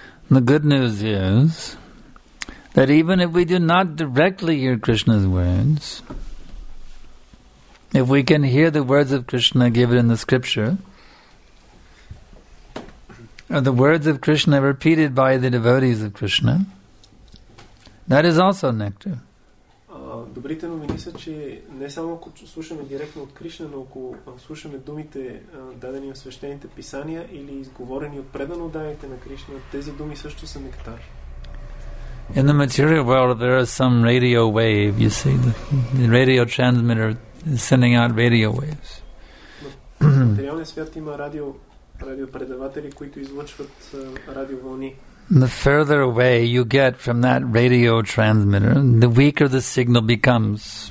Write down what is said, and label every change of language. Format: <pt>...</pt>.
<en>The good news is that even if we do not directly hear Krishna's words, if we can hear the words of Krishna given in the scripture, or the words of Krishna repeated by the devotees of Krishna, that is also nectar.</en> <bg>Добрите новини са, че не само ако слушаме директно от Кришна, но ако слушаме думите, дадени в свещените писания или изговорени от предано даните на Кришна, тези думи също са нектар.</bg> <en>In the material world, there is some radio wave, you see. The radio transmitter is sending out radio waves.</en> <bg>В материалния свят има радиопредаватели, които излъчват радиовълни.</bg> <en>The further away you get from that radio transmitter, the weaker the signal becomes.</en>